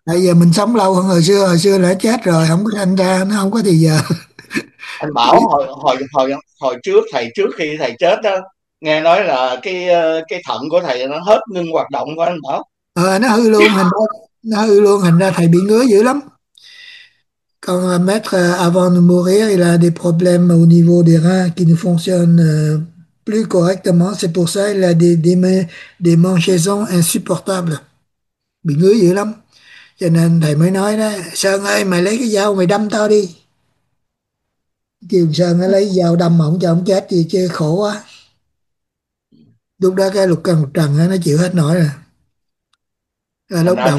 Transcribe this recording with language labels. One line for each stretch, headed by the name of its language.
Vietnamese: bây giờ mình sống lâu hơn hồi xưa đã chết rồi, không có sanh ra, nó không có thì giờ. Anh Bảo hồi hồi hồi hồi trước thầy trước khi thầy chết đó, nghe nói là cái thận của thầy nó hết ngưng hoạt động của anh Bảo. Ờ, nó hư luôn, thành ra thầy bị ngứa dữ lắm.
French: Còn mettre avant de mourir, il a des problèmes au niveau des reins qui ne fonctionnent plus correctement. C'est pour ça il a des démangeaisons insupportables.
Vietnamese: Bị ngứa dữ lắm. Cho nên thầy mới nói đó, Sơn ơi, mày lấy cái dao mày đâm tao đi. Kiều Sơn nó lấy dao đâm ổng cho ổng chết gì chứ, khổ quá. Lúc đó cái lục cần trần nó chịu hết nổi rồi. Là Thành đầu